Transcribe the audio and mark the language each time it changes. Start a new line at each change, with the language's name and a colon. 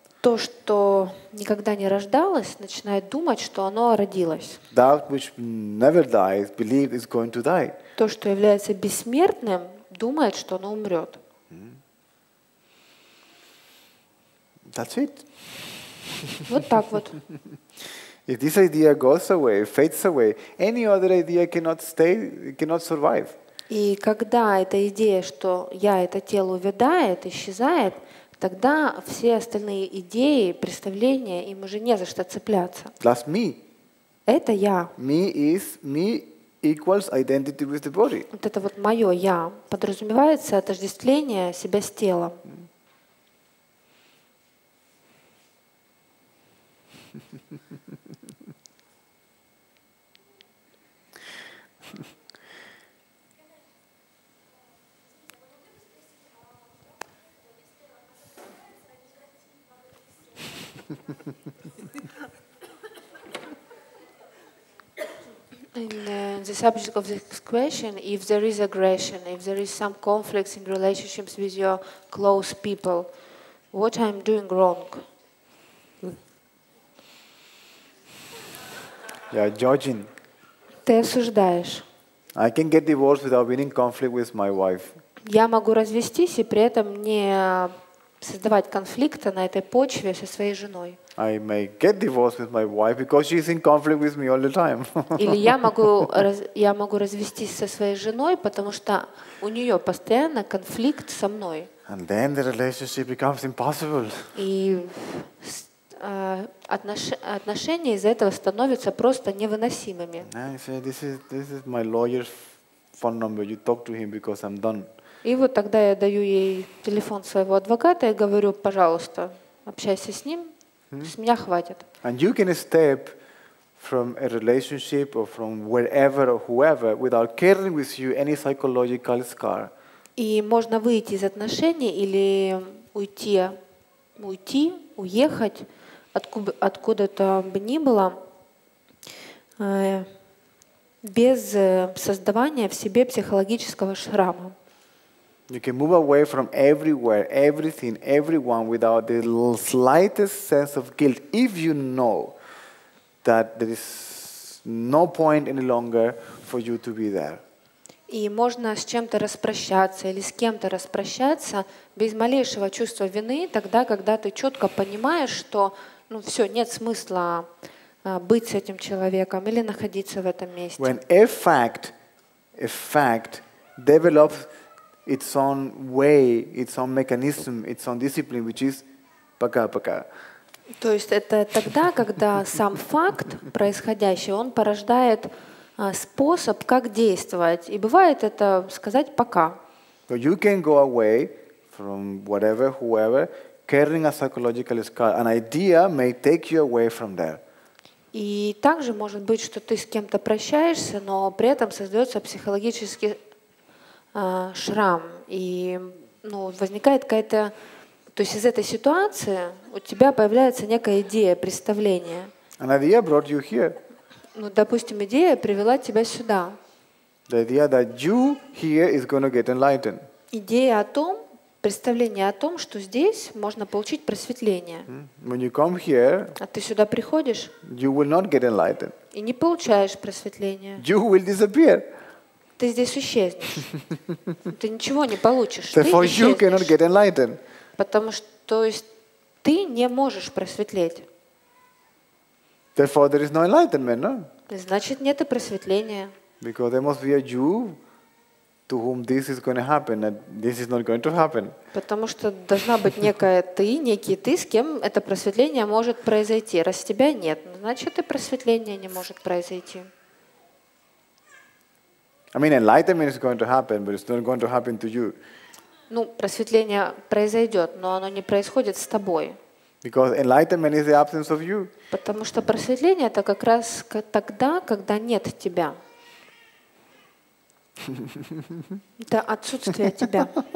Russian: То, что никогда не рождалось, начинает думать, что оно родилось.
English: That which never dies, believe is going to die.
Russian: То, что является бессмертным, думает, что оно умрет.
English: That's it.
Russian: Вот так вот.
English: If this idea goes away, fades away, any other idea cannot stay, cannot survive.
Russian: И когда эта идея, что я это тело, увядает, исчезает, тогда все остальные идеи, представления, им уже не за что цепляться.
English: That's me.
Russian: Это я.
English: Me is me equals identity with the body.
Russian: Вот это вот мое я подразумевается отождествление себя с телом.
English: And the subject of this question, if there is aggression, if there is some conflicts in relationships with your close people, what I'm doing wrong? You're judging.
Russian: Ты осуждаешь.
English: I can get divorced without being in conflict with my wife.
Russian: Я могу развестись и при этом не создавать конфликта на этой почве со своей женой.
English: I may get divorced with my wife because she's in conflict with me all the time.
Russian: Или я могу развестись со своей женой, потому что у нее постоянно конфликт со мной.
English: And then the relationship becomes impossible.
Russian: И отношения из-за этого становятся просто невыносимыми.
English: This is my lawyer's phone number. You talk to him because I'm done.
Russian: И вот тогда я даю ей телефон своего адвоката и говорю: пожалуйста, общайся с ним, с меня хватит.
English: And you can step from a relationship or from wherever or whoever without carrying with you any psychological scar.
Russian: И можно выйти из отношений или уйти, уехать откуда-то бы ни было без создавания в себе психологического шрама.
English: You can move away from everywhere, everything, everyone without the slightest sense of guilt if you know that there is no point any longer for you to be there.
Russian: И можно с чем-то распрощаться или с кем-то распрощаться без малейшего чувства вины, тогда, когда ты четко понимаешь, что ну все, нет смысла быть с этим человеком или находиться в этом месте.
English: When a fact develops its own way, its own mechanism, its own discipline, which is
Russian: пока-пока. То есть это тогда, когда сам факт происходящего, он порождает способ, как действовать. И бывает это сказать пока.
English: So you can go away from whatever, whoever, carrying a psychological scar. An idea may take you away from there.
Russian: И также может быть, что ты с кем-то прощаешься, но при этом создается психологический шрам, и ну, возникает какая-то... То есть из этой ситуации у тебя появляется некая идея, представление.
English: An idea brought you here.
Russian: Ну, допустим, идея привела тебя сюда.
English: The idea that you here is going to get enlightened.
Russian: Идея о том, представление о том, что здесь можно получить просветление.
English: When you come here,
Russian: а ты сюда приходишь,
English: you will not get enlightened.
Russian: И не получаешь просветление.
English: You will disappear.
Russian: Ты здесь исчезнешь. Ты ничего не получишь.
English: Therefore, you cannot get enlightened.
Russian: Потому что то есть, ты не можешь просветлеть.
English: Therefore, there is no enlightenment, no?
Russian: Значит, нет и просветления.
English: Because there must be a Jew to whom this is going to happen and this is not going to happen.
Russian: Потому что должна быть некая ты, некий ты, с кем это просветление может произойти. Раз тебя нет, значит и просветление не может произойти.
English: I mean, enlightenment is going to happen, but it's not going to happen to you.
Russian: Ну, просветление произойдет, но оно не происходит с тобой.
English: Because enlightenment is the absence of you.
Russian: Потому что просветление это как раз тогда, когда нет тебя. Это отсутствие тебя.